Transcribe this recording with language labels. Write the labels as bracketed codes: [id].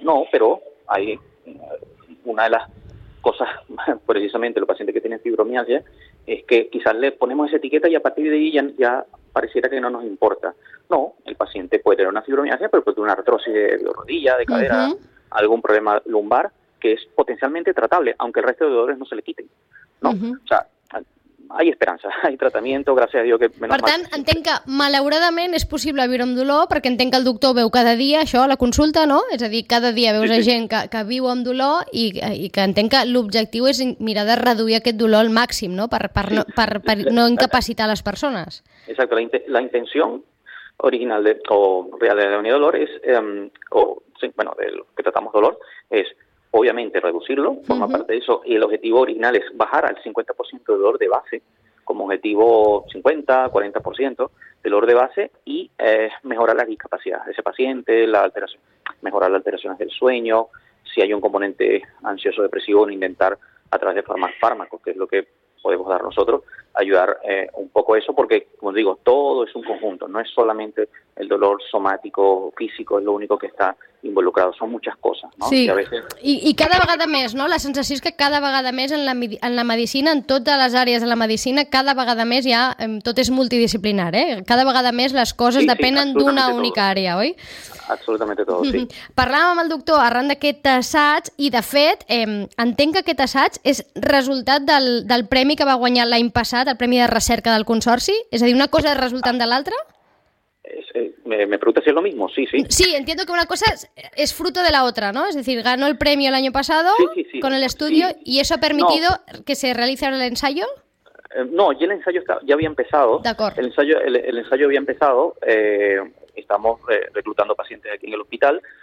[es] No, pero hay una de las cosas, precisamente, los pacientes que tienen fibromialgia, es que quizás le ponemos esa etiqueta y a partir de ahí ya pareciera que no nos importa. No, el paciente puede tener una fibromialgia, pero puede tener una artrosis de rodilla, de cadera, algún problema lumbar, que es potencialmente tratable, aunque el resto de dolores no se le quiten. No, hay esperança, hay tratamiento, gracias a Dios que... [ca] Per tant, entenc que malauradament és possible viure amb dolor, perquè entenc que el doctor veu cada dia això a la consulta, no? És a dir, cada dia veus gent que viu amb dolor i que entenc que l'objectiu és mirar de reduir aquest dolor al màxim, no? Per no incapacitar les persones. Exacte, la intenció original o real de la unidad de dolor és, del que [es] tratamos [ca] dolor, és... [es] Obviamente, reducirlo forma parte de eso. Y el objetivo original es bajar al 50% de dolor de base, como objetivo 50-40% de dolor de base, y mejorar las discapacidades de ese paciente, mejorar las alteraciones del sueño, si hay un componente ansioso depresivo, intentar a través de fármacos, que es lo que podemos dar nosotros, ayudar un poco eso, porque, como digo, todo es un conjunto, no es solamente el dolor somático, físico, es lo único que está involucrado, son muchas cosas, ¿no? [ca] Sí, y cada vegada més, ¿no? La sensació és que cada vegada més en la medicina, en totes les àrees de la medicina, cada vegada més ja tot és multidisciplinar, ¿eh? Cada vegada més les coses depenen d'una única àrea, oi? Absolutament tot, sí. Parlàvem amb el doctor arran d'aquest assaig i, de fet, entenc que aquest assaig és resultat del premi que va guanyar l'any passat, el Premi de Recerca del Consorci, és a dir, una cosa resultant de l'altra? [es] Me pregunta si es lo mismo, sí, sí. Sí, entiendo que una cosa es fruto de la otra, ¿no? Es decir, ganó el premio el año pasado con el estudio y eso ha permitido que se realice ahora el ensayo. No, ya el ensayo ya había empezado. De acuerdo. El ensayo había empezado, estamos reclutando pacientes aquí en el hospital.